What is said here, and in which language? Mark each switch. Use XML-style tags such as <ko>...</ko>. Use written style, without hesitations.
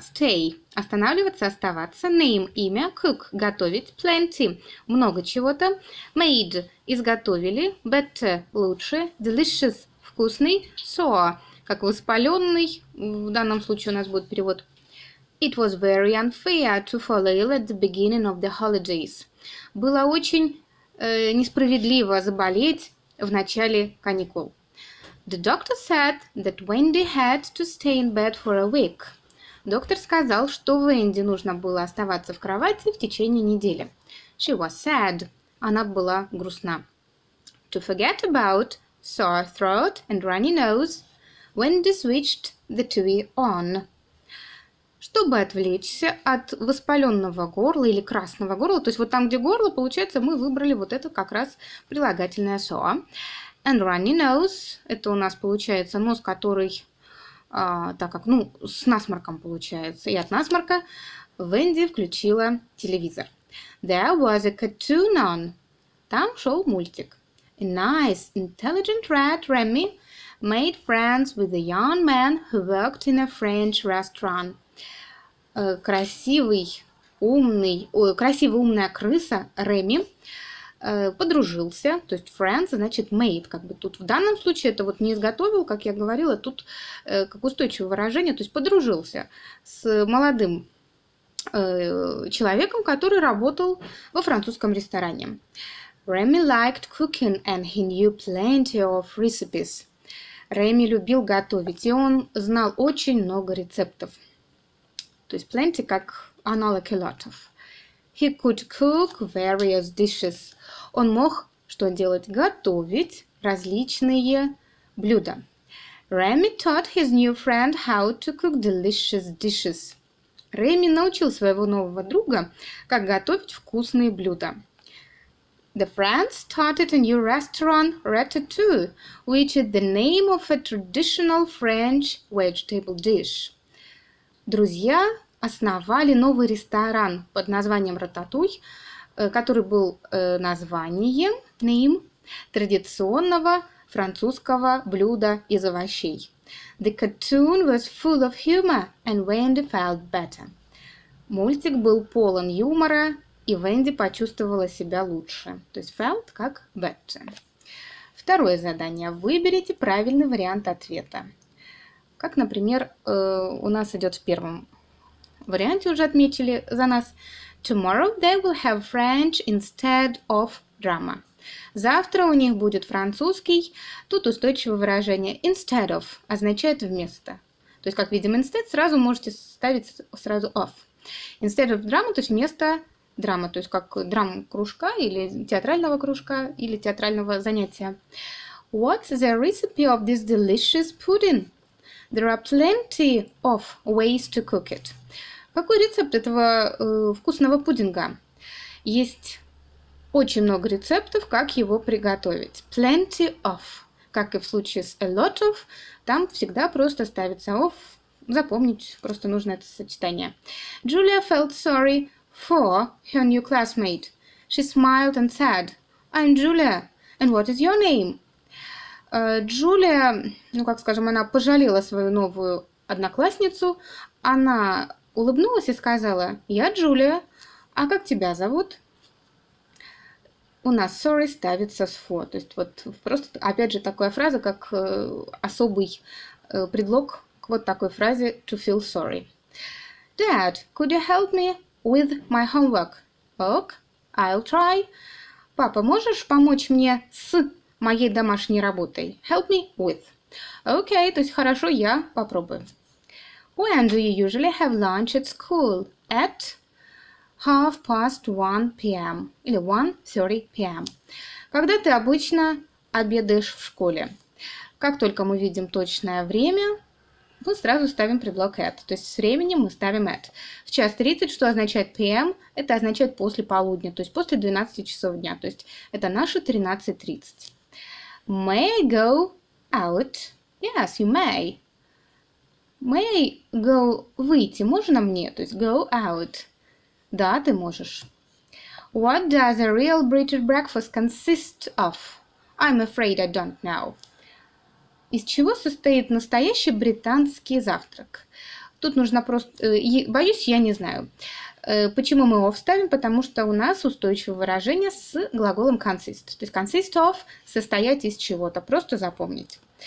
<ru>Stay – останавливаться, оставаться. Name – имя. Cook – готовить. Plenty – много чего-то. Made – изготовили. Better – лучше. Delicious – вкусный. Sore – как воспаленный. В данном случае у нас будет перевод.</ru> <en>It was very unfair to fall ill at the beginning of the holidays.</en> <ru>Было очень несправедливо заболеть в начале каникул.</ru> <en>The doctor said that Wendy had to stay in bed for a week.</en> <ru>Доктор сказал, что Венди нужно было оставаться в кровати в течение недели.</ru> <en>She was sad.</en> <ru>Она была грустна.</ru> <en>To forget about sore throat and runny nose, Wendy switched the TV on.</en> <ru>Чтобы отвлечься от воспаленного горла или красного горла, то есть вот там, где горло, получается, мы выбрали вот это как раз прилагательное sore.</ru> <en>And runny nose,</en> <ru>это у нас получается нос, который, с насморком получается, и от насморка Венди включила телевизор.</ru> <en>There was a cartoon on.</en> <ru>Там шел мультик.</ru> <en>A nice, intelligent rat, Remy, made friends with a young man who worked in a French restaurant.</en> <ru>Красивая умная крыса Реми подружился, то есть friends, значит made, как бы тут в данном случае это вот не изготовил, как я говорила, тут как устойчивое выражение, то есть подружился с молодым человеком, который работал во французском ресторане.</ru> <en>Remy liked cooking and he knew plenty of recipes.</en> <ru>Реми любил готовить, и он знал очень много рецептов. То есть</ru> <en>plenty</en> <ru>как аналог</ru> <en>a lot of. He could cook various dishes.</en> <ru>Он мог что делать? Готовить различные блюда.</ru> <en>Remy taught his new friend how to cook delicious dishes.</en> <ru>Remy научил своего нового друга, как готовить вкусные блюда.</ru> <en>The friends started a new restaurant, Ratatouille, which is the name of a traditional French vegetable dish.</en> <ru>Друзья основали новый ресторан под названием Рататуй, который был названием, name, традиционного французского блюда из овощей.</ru> <en>The cartoon was full of humor, and Wendy felt better.</en> <ru>Мультик был полон юмора, и Венди почувствовала себя лучше. То есть felt как better. Второе задание. Выберите правильный вариант ответа. Как, например, у нас идет в первом варианте, уже отметили за нас.</ru> <en>Tomorrow they will have French instead of drama.</en> <ru>Завтра у них будет французский. Тут устойчивое выражение instead of означает вместо. То есть, как видим, instead сразу можете ставить сразу of.</ru> <en>Instead of drama,</en> <ru>то есть вместо драмы. То есть, как драм-кружка или театрального кружка или театрального занятия.</ru> <en>What's the recipe of this delicious pudding? There are plenty of ways to cook it.</en> <ru>Какой рецепт этого вкусного пудинга? Есть очень много рецептов, как его приготовить.</ru> <en>Plenty of.</en> <ru>Как и в случае с a lot of, там всегда просто ставится of. Запомнить просто нужно это сочетание.</ru> <en>Julia felt sorry for her new classmate. She smiled and said, I'm Julia, and what is your name?</en> <ru>Джулия, она пожалела свою новую одноклассницу. Она улыбнулась и сказала, я Джулия, а как тебя зовут? У нас sorry ставится с for. То есть вот просто, опять же, такая фраза, как особый предлог к вот такой фразе</ru> <en>to feel sorry. Dad, could you help me with my homework? Ok, I'll try.</en> <ru>Папа, можешь помочь мне с моей домашней работой?</ru> <en>Help me with.</en> <ru>Ok, то есть хорошо, я попробую.</ru> <en>When do you usually have lunch at school? At 1:30 p.m.</en> <ru>или 1:30 p.m. Когда ты обычно обедаешь в школе? Как только мы видим точное время, мы сразу ставим предлог at. То есть с временем мы ставим at. В 1:30, что означает p.m., это означает после полудня, то есть после 12 часов дня. То есть это наши</ru> <en>13:30. May I go out? Yes, you may. May I go</en> <ru>выйти? Можно мне? То есть</ru> <en>go out.</en> <ru>Да, ты можешь.</ru> <en>What does a real British breakfast consist of? I'm afraid I don't know.</en> <ru>Из чего состоит настоящий британский завтрак? Тут нужно просто... Боюсь, я не знаю. Почему мы off ставим? Потому что у нас устойчивое выражение с глаголом consist. То есть consist of – состоять из чего-то. Просто запомнить.</ru>